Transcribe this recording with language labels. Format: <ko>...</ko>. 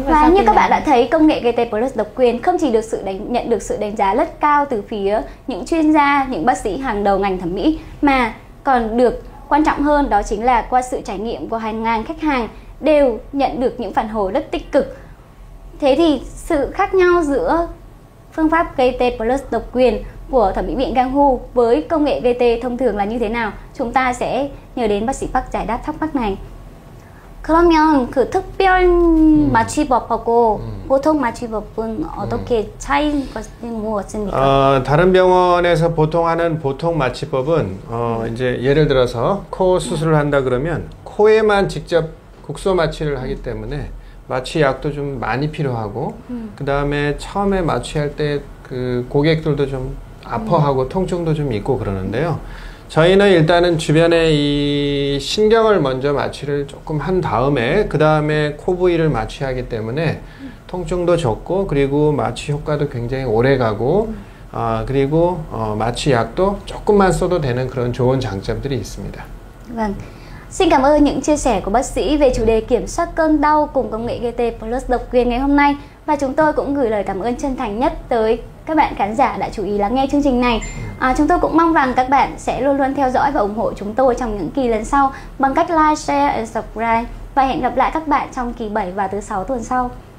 <vi>Và như các bạn đã thấy, công nghệ GT Plus độc quyền không chỉ được nhận được sự đánh giá rất cao từ phía những chuyên gia, những bác sĩ hàng đầu ngành thẩm mỹ, mà còn được quan trọng hơn, đó chính là qua sự trải nghiệm của hàng ngàn khách hàng đều nhận được những phản hồi rất tích cực. Thế thì sự khác nhau giữa phương pháp GT Plus độc quyền của thẩm mỹ viện Gangho với công nghệ GT thông thường là như thế nào? Chúng ta sẽ nhờ đến bác sĩ Park giải đáp thắc mắc này.</vi> <ko>그러면 그 특별 마취법하고 보통 마취법은 어떻게 차이인 것인지 무엇입니까? 다른 병원에서 보통 하는 보통 마취법은 이제 예를 들어서 코 수술을 한다 그러면 코에만 직접 국소 마취를 하기 때문에 마취약도 좀 많이 필요하고 그다음에 처음에 마취할 때 그 고객들도 좀 아파하고 통증도 좀 있고 그러는데요. 저희는 일단은 주변에 이 신경을 먼저 마취를 조금 한 다음에 그 다음에 코 부위를 마취하기 때문에 통증도 적고 그리고 마취 효과도 굉장히 오래 가고 그리고 마취약도 조금만 써도 되는 그런 좋은 장점들이 있습니다.</ko> <vi>Xin cảm ơn những chia sẻ của bác sĩ về chủ đề kiểm soát cơn đau cùng công nghệ GT Plus độc quyền ngày hôm nay. Và chúng tôi cũng gửi lời cảm ơn chân thành nhất tới các bạn khán giả đã chú ý lắng nghe chương trình này. Chúng tôi cũng mong rằng các bạn sẽ luôn luôn theo dõi và ủng hộ chúng tôi trong những kỳ lần sau bằng cách</vi> <en>like, share and subscribe.</en> <vi>Và hẹn gặp lại các bạn trong kỳ 7 và thứ 6 tuần sau.</vi>